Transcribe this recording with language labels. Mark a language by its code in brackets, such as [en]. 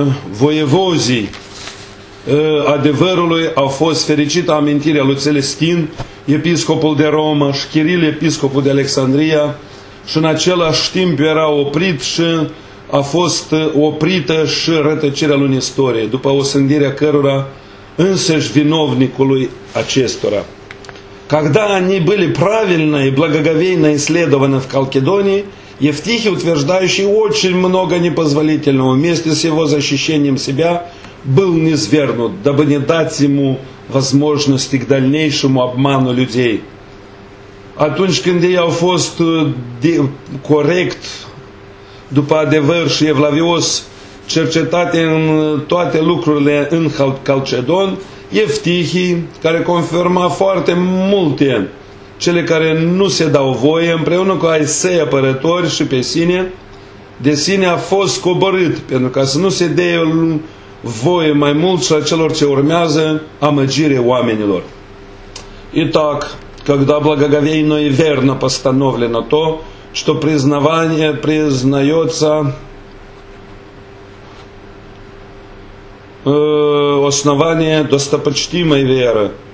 [ro] voievozii adevărului a fost fericită amintirea lui Celestin, episcopul de Roma, și Kiril, episcopul de Alexandria, și în același timp era oprit și a fost oprită și rătăcirea lui Nestorie, după osândirea cărora însăși vinovnicului acestora. [ru] Когда они были правильно и благоговейно исследованы в Халкидонии, Евтихий, утверждающий очень много непозволительного, вместе с его защищением себя, был низвергнут, дабы не дать ему возможности к дальнейшему обману людей. [ro] Atunci când ei au fost corect, după adevăr și evlavios, cercetate în toate lucrurile în Calcedon, Eftihii, care confirma foarte multe cele care nu se dau voie, împreună cu ai săi apărători și pe sine, de sine a fost coborât, pentru ca să nu se dea voie mai mult și a celor ce urmează amăgire oamenilor. [ru] И так, когда благоговейно и верно постановлено то, что признавание признается основание достопочтимой веры